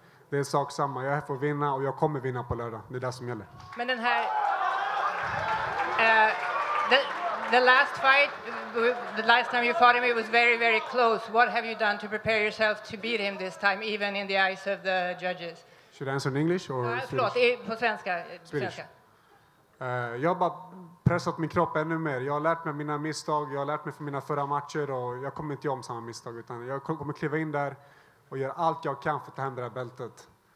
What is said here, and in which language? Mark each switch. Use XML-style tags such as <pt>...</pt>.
<sv>Det är sak samma, jag är här för att vinna och jag kommer vinna på lördag. Det är det som gäller. Men den här...</sv> <en>The last fight, the last time you fought him, it was very, very close. What have you done to prepare yourself to beat him this time, even in the eyes of the judges? Should I answer in English or Swedish?</en> <sv>Jag har bara pressat min kropp ännu mer. Jag har lärt mig mina misstag. Jag har lärt mig från mina förra matcher. Och jag kommer inte göra samma misstag. Utan jag kommer kliva in där och göra allt jag kan för att ta hem det här bältet.</sv>